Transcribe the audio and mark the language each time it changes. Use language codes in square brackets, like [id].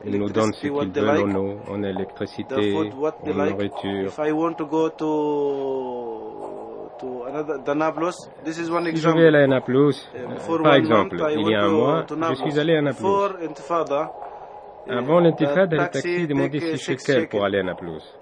[fr] ils nous donnent ce qu'ils veulent en eau, en électricité, en nourriture. [en] If I want to go to the Nablus, this is one [fr] si je vais à Nablus, par exemple, [en] month, [fr] il y a un mois, je suis allé à Nablus. Avant l'intifada, le taxi demandait 6 shekels pour aller à Nablus.